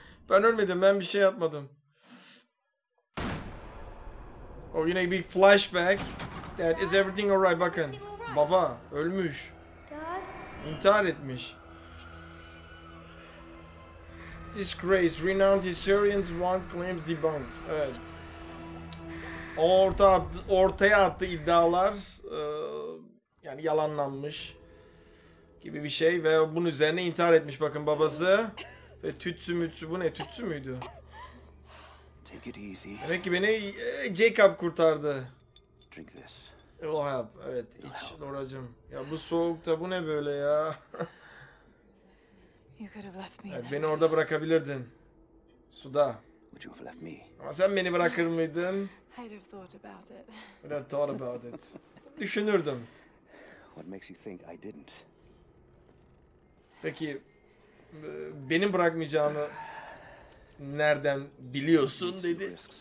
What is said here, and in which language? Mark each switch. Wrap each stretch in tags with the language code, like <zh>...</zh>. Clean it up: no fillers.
<tr>Ben ölmedim, ben bir şey yapmadım. Yine bir flashback.</tr> <en>Dad, is everything alright? Bakın. Baba, ölmüş. İntihar etmiş. Disgrace, renowned historians want claims debunked.</en> <tr>Evet. Ortaya attı iddialar. Yani yalanlanmış. Gibi bir şey ve bunun üzerine intihar etmiş bakın babası. Ve tütsü mütsü bu ne? Tütsü müydü?</tr> <en>Take it easy.</en> <tr>Demek ki beni Jacob kurtardı.</tr> <en>Drink this. It will help. Evet, iç Noracığım.</en> <tr>Ya bu soğukta bu ne böyle ya?</tr> <en>You could have left me.</en> <tr>Evet, beni orada bırakabilirdin. Suda.</tr> <en>Would you have left me?</en> <tr>Ama sen beni bırakır mıydın?</tr> <en>I'd have thought about it. I'd have thought about it.</en> <tr>Düşünürdüm.</tr> <en>What makes you think I didn't?</en> <tr>Peki benim bırakmayacağını nereden biliyorsun dedi.</tr>